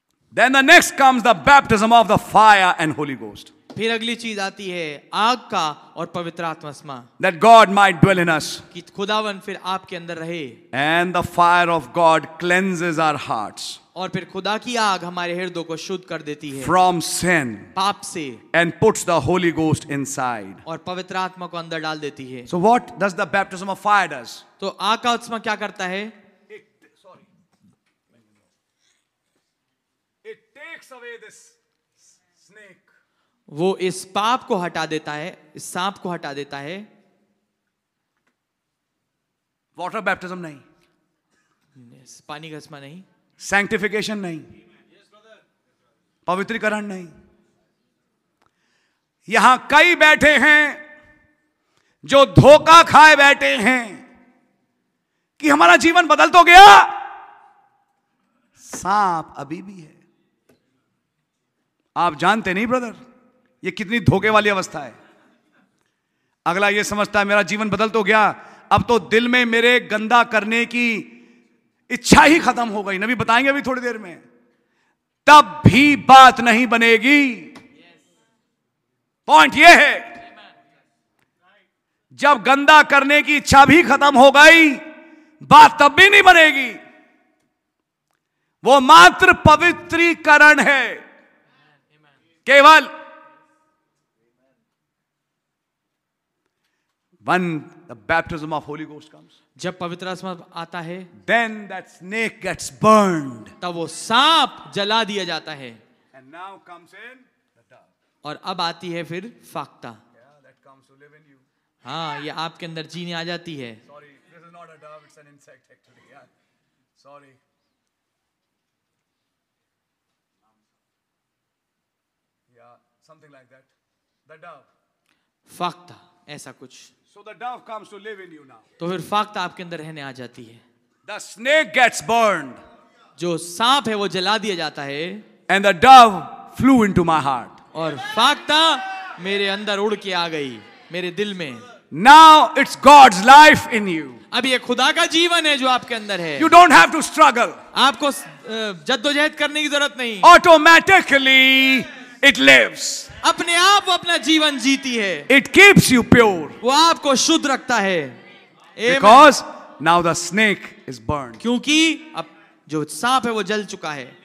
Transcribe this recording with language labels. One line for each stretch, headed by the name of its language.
English: Then the next comes the baptism of the fire and Holy Ghost.
Hindi: फिर अगली चीज आती है आग का और पवित्र आत्मस्मा।
English: That God might dwell in us.
Hindi: कि खुदावन फिर आपके अंदर रहे।
English: And the fire of God cleanses our hearts.
Hindi: और फिर खुदा की आग हमारे हृदयों को शुद्ध कर देती है।
English: From sin.
Hindi: पाप से।
English: And puts the Holy Ghost inside.
Hindi: और पवित्र आत्मा को अंदर डाल देती है।
English: So what does the baptism of fire does?
Hindi: तो आग का आत्मा क्या करता है?
English: It takes away this snake.
Hindi: वो इस पाप को हटा देता है, इस सांप को हटा देता है। वाटर बैप्टिज्म नहीं, पानी का स्नान नहीं, सैंक्टिफिकेशन नहीं, पवित्रीकरण नहीं। यहां कई बैठे हैं जो धोखा खाए बैठे हैं कि हमारा जीवन बदल तो गया, सांप अभी भी है। आप जानते नहीं ब्रदर, ये कितनी धोखे वाली अवस्था है। अगला ये समझता है मेरा जीवन बदल तो गया, अब तो दिल में मेरे गंदा करने की इच्छा ही खत्म हो गई। नबी बताएंगे अभी थोड़ी देर में, तब भी बात नहीं बनेगी। पॉइंट ये है, जब गंदा करने की इच्छा भी खत्म हो गई, बात तब भी नहीं बनेगी। वो मात्र पवित्रीकरण है, केवल
English: When the baptism of Holy Ghost comes,
Hindi: जब पवित्र आत्मा आता है,
English: then that snake gets burned.
Hindi: तब वो सांप जला दिया जाता है।
English: And now comes in the dove.
Hindi: और अब आती है फिर फाकता।
English: Yeah, that comes to live in you.
Hindi: हाँ, ये आपके अंदर जीने आ जाती है।
English: Sorry, this is not a dove, it's an insect actually. Yeah. Sorry. Yeah, something like that. The dove.
Hindi: फाकता, ऐसा कुछ.
English: So the dove comes to live in you now.
Hindi: तो फिर फाक्त आपके अंदर रहने आ जाती है.
English: The snake gets burned.
Hindi: जो सांप है वो जला दिया जाता है.
English: And the dove flew into my heart.
Hindi: और फाक्ता मेरे अंदर उड़ के आ गई, मेरे दिल में.
English: Now it's God's life in you.
Hindi: अब ये खुदा का जीवन है जो आपके अंदर है.
English: You don't have to struggle.
Hindi: आपको जद्दोजहद करने की जरूरत नहीं.
English: Automatically it lives.
Hindi: अपने आप अपना जीवन जीती है.
English: It keeps you pure.
Hindi: वो आपको शुद्ध रखता है.
English: Because now the snake is burned.
Hindi: क्योंकि अब जो सांप है वो जल चुका है.